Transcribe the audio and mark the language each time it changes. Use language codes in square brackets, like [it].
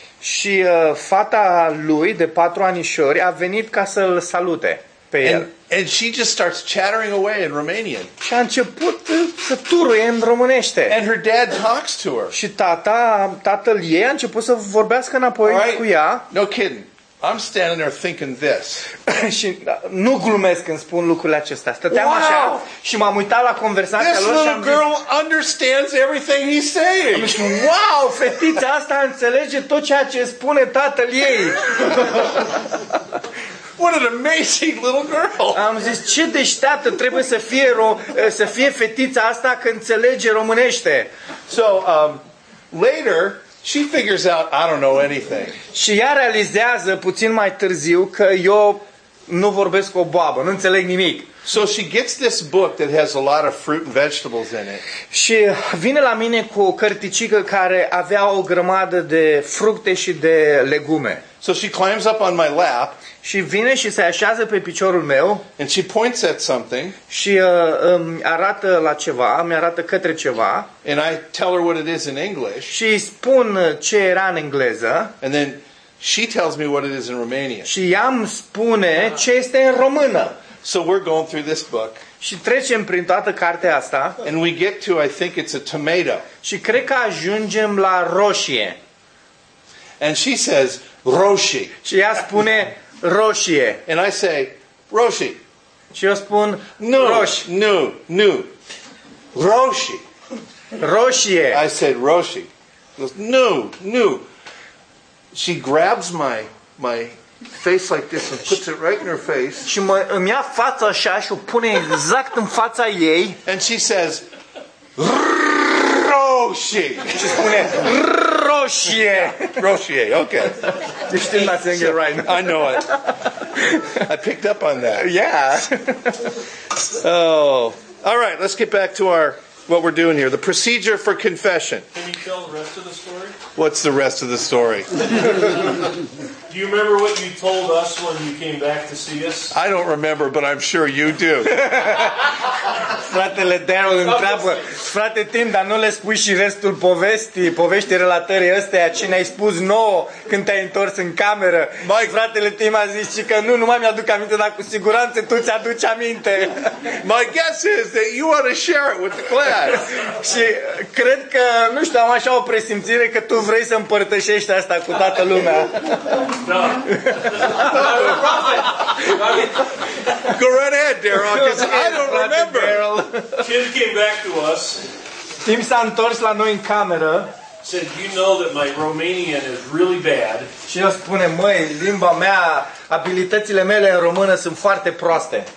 [ro] Și fata lui de 4 anișori a venit ca să-l salute pe el. [en] And she just starts chattering away in Romanian. [ro] Și a început să turuie în românește. [en] And her dad talks to her. [ro] Și tatăl ei a început să vorbească înapoi cu ea. [en] No kidding. I'm standing there thinking this. [ro] Și nu glumesc când spun lucrurile acestea. Stăteam așa și m-am uitat la conversația lor și am zis, [en] this little girl understands everything he's saying. [ro] Am zis, wow, fetița asta înțelege tot ceea ce spune tatăl ei. [en] What an amazing little girl. [ro] Am zis, ce deșteaptă trebuie să fie să fie fetița asta că înțelege românește. [en] So, later she figures out I don't know anything. [ro] Și ea realizează puțin mai târziu că eu nu vorbesc o boabă, nu înțeleg nimic. [en] So she gets this book that has a lot of fruit and vegetables in it. [ro] Și vine la mine cu o cărticică care avea o grămadă de fructe și de legume. [en] So she climbs up on my lap. [ro] Și vine și se așează pe piciorul meu. [en] And she points at something. [ro] Și arată la ceva, mi arată către ceva. [en] And I tell her what it is in English. [ro] Și spun ce era în engleză. [en] And then she tells me what it is in Romanian. [ro] Și ea îmi spune ce este în română. [en] So we're going through this book. [ro] Și trecem prin toată cartea asta. [en] And we get to, I think it's a tomato. [ro] Și cred că ajungem la roșie. [en] And she says, roșie. [ro] Și ea spune, roșie. [en] And I say, roșie. [ro] Și eu spun, nu, roșie. Nu, nu. Roșie. Roșie. [en] I said, [ro] roșie. Nu, nu. [en] She grabs my face like this and puts it right in her face. [ro] Și îmi ia fața așa și o pune exact în fața ei. [en] And she says, roșie. [ro] Și spune, roșie. Roșie, okay. [en] You're still not saying it right now. I know it. I picked up on that. Yeah. Oh. All right, let's get back to our what we're doing here. The procedure for confession. Can you tell the rest of the story? What's the rest of the story? Do you remember what you told us when you came back to see us? I don't remember, but I'm sure you do. [ro] Fratele Daryl întreabă, frate Tim, dar nu le spui și restul povestii, poveștii relatării ăsteia, ce ne-ai spus nouă când te-ai întors în cameră? Mai fratele Tim a zis și că nu mai mi-aduc aminte, dar cu siguranță tu ți-aduci aminte. [en] My guess is that you want to share it with the class. [ro] Și cred că, nu știu, am așa o presimțire că tu vrei să împărtășești asta cu toată lumea. [en] Go right ahead, Daryl, because I don't remember. Tim came back to us. [ro] Tim s-a întors la noi în cameră. [en] Said, you know that my Romanian is really bad. [ro] Și el spune, măi, limba mea, abilitățile mele în română sunt foarte proaste.